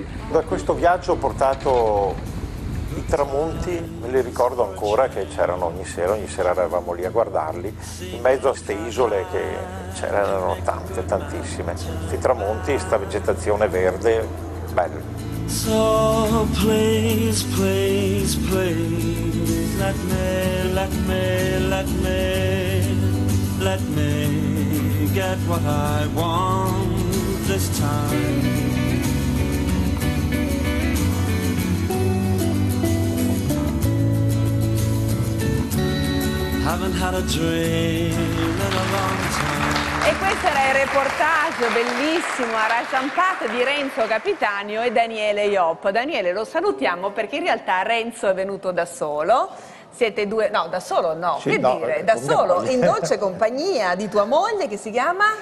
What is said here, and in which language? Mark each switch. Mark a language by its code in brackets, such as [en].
[it] Da questo viaggio ho portato i tramonti, me li ricordo ancora, che c'erano ogni sera eravamo lì a guardarli, in mezzo a queste isole che c'erano tante, tantissime. Questi tramonti, questa vegetazione verde, bello. [en] So please, please, please, let me, let me, let me, let me get what I want this time. Haven't had a dream in a long time. [it] E questo era il reportage bellissimo, arrampicata di Renzo Capitanio e Daniele Iop. Daniele, lo salutiamo perché in realtà Renzo è venuto da solo. Siete due, no, da solo no, sì, che no, dire, da solo, moglie. In dolce compagnia di tua moglie che si chiama?